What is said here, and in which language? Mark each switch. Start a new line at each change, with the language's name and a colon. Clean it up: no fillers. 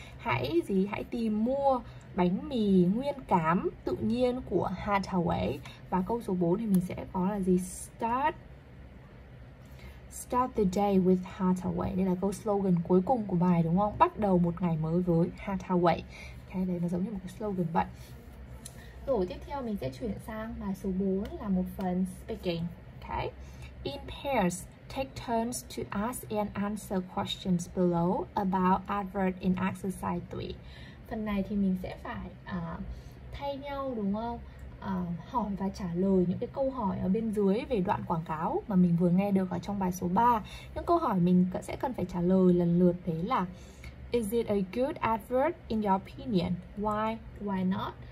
Vietnamese: Hãy tìm mua bánh mì nguyên cám tự nhiên của Hathaway. Và câu số 4 thì mình sẽ có là gì?
English: Start Start the day with Hathaway.
Vietnamese: Đây là câu slogan cuối cùng của bài đúng không? Bắt đầu một ngày mới với Hathaway. Okay, đấy nó giống như một cái slogan vậy. Rồi tiếp theo mình sẽ chuyển sang bài số 4 là một phần speaking. Okay.
English: In pairs, take turns to ask and answer questions below about advert in exercise 3.
Vietnamese: Phần này thì mình sẽ phải thay nhau đúng không? Hỏi và trả lời những cái câu hỏi ở bên dưới về đoạn quảng cáo mà mình vừa nghe được ở trong bài số 3. Những câu hỏi mình sẽ cần phải trả lời lần lượt thế là:
English: Is it a good advert in your opinion? Why? Why not?